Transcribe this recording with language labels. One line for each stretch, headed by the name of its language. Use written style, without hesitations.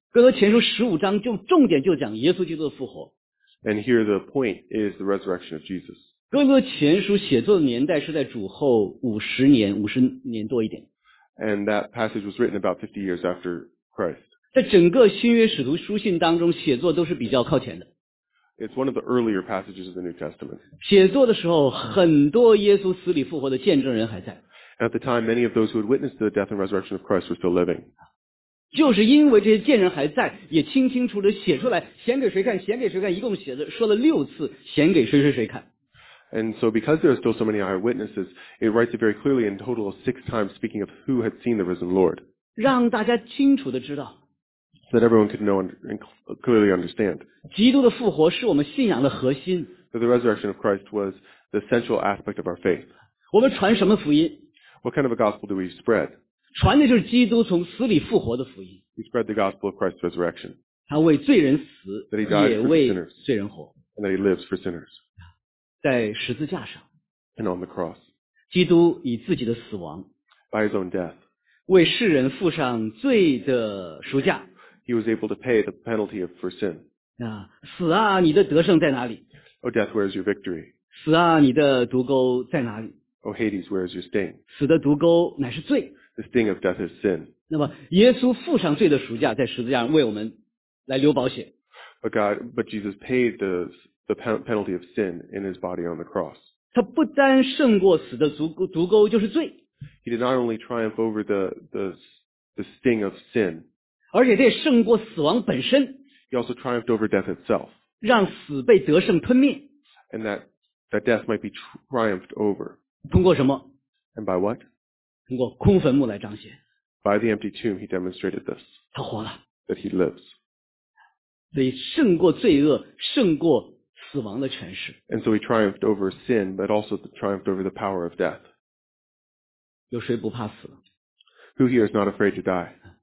Chinese: 哥林多前书十五章就重点就讲耶稣基督的复活。
English: And here the point is the resurrection of Jesus.
Chinese: 哥林多前书写作的年代是在主后五十年，五十年多一点。
English: And that passage was written about 50 years after Christ.
Chinese: 在整个新约使徒书信当中，写作都是比较靠前的。
English: It's one of the earlier passages of the New Testament.
Chinese: 写作的时候，很多耶稣死里复活的见证人还在。
English: At the time, many of those who had witnessed the death and resurrection of Christ were still living.
Chinese: 就是因为这些见证还在，也清清楚楚写出来，显给谁看？显给谁看？一共写的说了六次，显给谁谁谁看。
English: And so, because there are still so many eyewitnesses, it writes it very clearly in total of six times, speaking of who had seen the risen Lord.
Chinese: 让大家清楚的知道。
English: That everyone could know and clearly understand.
Chinese: 基督的复活是我们信仰的核心。
English: That the resurrection of Christ was the central aspect of our faith.
Chinese: 我们传什么福音？
English: What kind of a gospel do we spread?
Chinese: 传的就是基督从死里复活的福音。
English: We spread the gospel of Christ's resurrection.
Chinese: 他为罪人死，
English: that he died
Chinese: 也为罪人活。
English: And that he lives for sinners.
Chinese: 在十字架上。
English: And on the cross.
Chinese: 基督以自己的死亡。
English: By his own death.
Chinese: 为世人付上罪的赎价。
English: He was able to pay the penalty for sin.
Chinese: 啊，死啊，你的得胜在哪里？
English: Oh, death, where is your victory?
Chinese: 死啊，你的毒钩在哪里？
English: Oh, Hades, where is your sting?
Chinese: 死的毒钩乃是罪。
English: The sting of death is sin.
Chinese: 那么，耶稣付上罪的赎价，在十字架上为我们来流宝血。
English: But Jesus paid the penalty of sin in his body on the cross.
Chinese: 他不单胜过死的毒钩，就是罪。
English: He did not only triumph over the sting of sin.
Chinese: 而且这也胜过死亡本身。
English: He also triumphed over death itself.
Chinese: 让死被得胜吞灭。
English: And that death might be triumphed over.
Chinese: 通过什么？
English: And by what?
Chinese: 通过空坟墓来彰显。
English: By the empty tomb, he demonstrated this.
Chinese: 他活了。
English: That he lives.
Chinese: 所以胜过罪恶，胜过死亡的权势。
English: And so he triumphed over sin, but also triumphed over the power of death.
Chinese: 有谁不怕死？
English: Who here is not afraid to die?